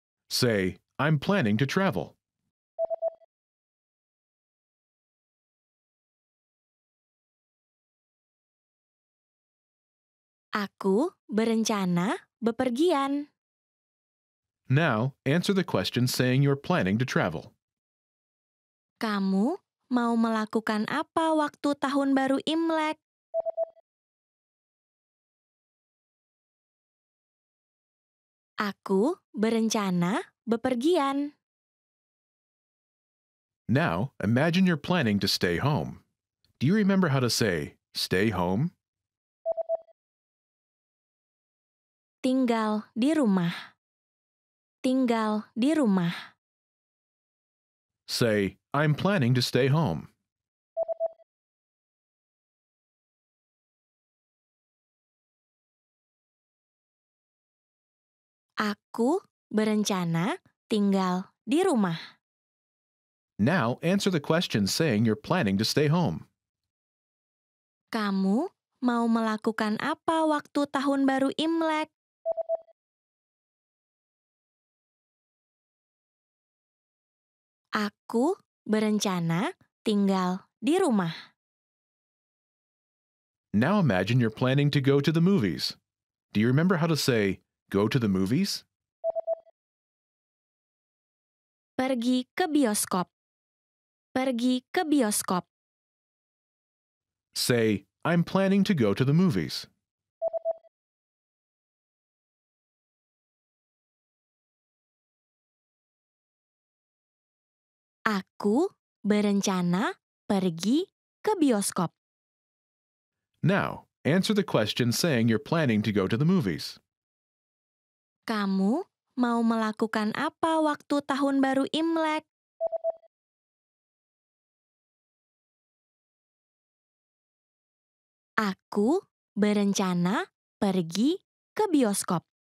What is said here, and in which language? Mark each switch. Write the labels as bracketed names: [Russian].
[English] Say, I'm planning to travel. [Indonesian] Aku berencana bepergian. [English] Now, answer the question saying you're planning to travel. [Indonesian] Kamu mau melakukan apa waktu tahun baru Imlek? Aku berencana bepergian. [English] Now, imagine you're planning to stay home. Do you remember how to say, stay home? [Indonesian] Tinggal di rumah. Tinggal di rumah. [English] Say, I'm planning to stay home. [Indonesian] Aku berencana tinggal di rumah. [English] Now answer the question saying you're planning to stay home. [Indonesian] Kamu mau melakukan apa waktu tahun baru Imlek? Aku berencana tinggal di rumah. [English] Now imagine you're planning to go to the movies. Do you remember how to say go to the movies? [Indonesian] Pergi ke bioskop. Pergi ke bioskop. [English] Say, I'm planning to go to the movies. [Indonesian] Aku berencana pergi ke bioskop. [English] Now, answer the question saying you're planning to go to the movies. [Indonesian] Kamu mau melakukan apa waktu tahun baru Imlek? Aku berencana pergi ke bioskop.